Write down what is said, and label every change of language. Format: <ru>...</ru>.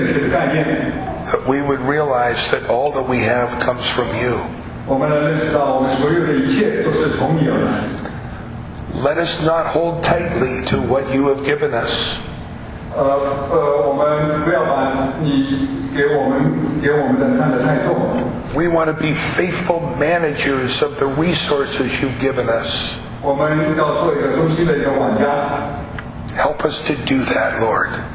<en>That we would realize that all that we have comes from you.</en> <zh>我们能认识到我们所有的一切都是从你而来。</zh> <en>Let us not hold tightly to what you have given us.</en> <zh>我们不要把你给我们的看得太重。</zh> <en>We want to be faithful managers of the resources you've given us.</en> <zh>我们要做一个忠心的一个管家。</zh> <en>Help us to do that, Lord.</en>